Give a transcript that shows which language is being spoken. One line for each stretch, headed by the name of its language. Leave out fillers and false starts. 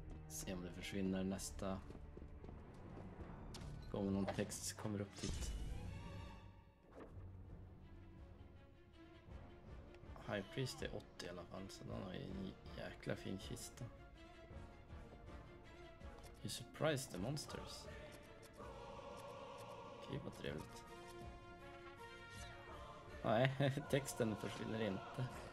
Swedish: Se om det försvinner nästa gång någon text kommer upp dit. High Priest är 80 i alla fall, så den har en jäkla fin kista.
English: You surprised the monsters.
Swedish: Okej, vad trevligt. Nej, texten försvinner inte.